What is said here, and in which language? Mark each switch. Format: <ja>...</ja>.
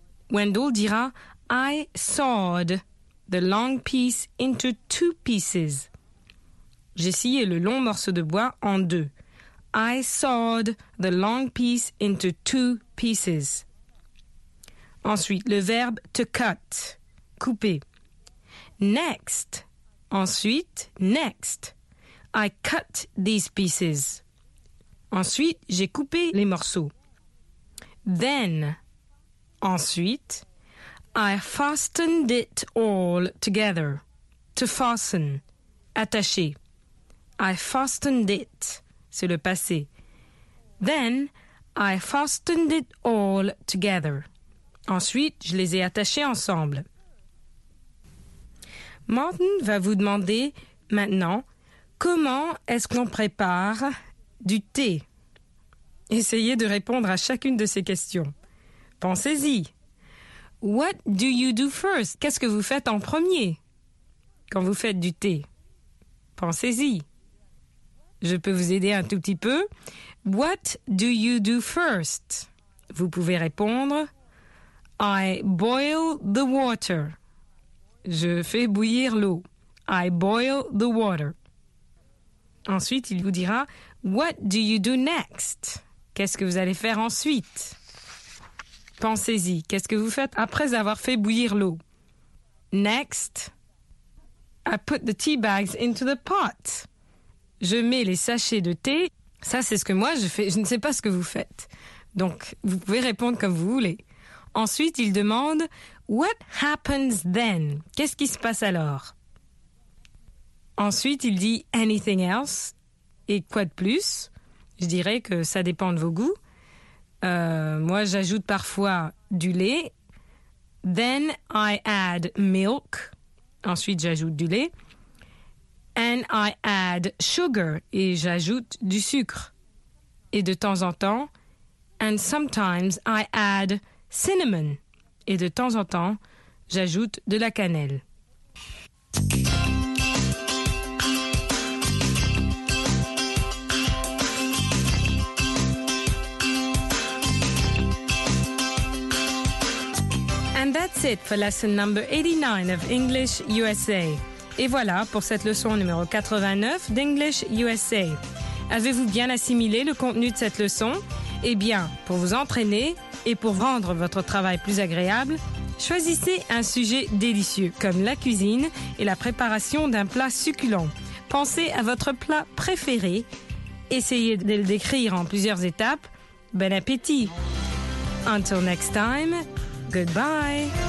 <en>Wendell dira, I sawed the long piece into two pieces.</en> <fr>J'ai scié le long morceau de bois en deux.</fr> <en>I sawed the long piece into two pieces.</en> <fr>Ensuite, le verbe</fr> <en>to cut,</en> <fr>couper. Next, ensuite, next.</fr> <en>I cut these pieces.</en> <fr>Ensuite, j'ai coupé les morceaux.</fr> <en>Then, ensuite, I fastened it all together. To fasten, attacher. I fastened it,</en> <fr>c'est le passé.</fr> <en>Then, I fastened it all together.</en> <fr>Ensuite, je les ai attachés ensemble. Martin va vous demander maintenant comment est-ce qu'on prépare du thé? Essayez de répondre à chacune de ces questions. Pensez-y.</fr> <en>What do you do first?</en> <fr>Qu'est-ce que vous faites en premier quand vous faites du thé? Pensez-y. Je peux vous aider un tout petit peu.</fr> <en>What do you do first?</en> <fr>Vous pouvez répondre.</fr> <en>I boil the water.</en> <fr>Je fais bouillir l'eau.</fr> <en>I boil the water.</en> <fr>Ensuite, il vous dira.</fr> <en>What do you do next?</en> <fr>Qu'est-ce que vous allez faire ensuite? Pensez-y. Qu'est-ce que vous faites après avoir fait bouillir l'eau?</fr> <en>Next, I put the tea bags into the pot.</en> <fr>Je mets les sachets de thé. Ça, c'est ce que moi, je fais. Je ne sais pas ce que vous faites. Donc, vous pouvez répondre comme vous voulez. Ensuite, il demande,</fr> <en>What happens then?</en> <fr>Qu'est-ce qui se passe alors? Ensuite, il dit,</fr> <en>Anything else?</en> <fr>Et quoi de plus? Je dirais que ça dépend de vos goûts. Moi, j'ajoute parfois du lait.</fr> <en>Then I add milk.</en> <fr>Ensuite, j'ajoute du lait.</fr> <en>And I add sugar,</en> <fr>et j'ajoute du sucre. Et de temps en temps,</fr> <en>and sometimes I add cinnamon.</en> <fr>Et de temps en temps, j'ajoute de la cannelle.</fr> <en>And that's it for lesson number 89 of English USA.</en> <fr>Et voilà pour cette leçon numéro 89 d'English USA. Avez-vous bien assimilé le contenu de cette leçon? Eh bien, pour vous entraîner et pour rendre votre travail plus agréable, choisissez un sujet délicieux comme la cuisine et la préparation d'un plat succulent. Pensez à votre plat préféré. Essayez de le décrire en plusieurs étapes. Bon appétit!</fr> <en>Until next time, goodbye!</en>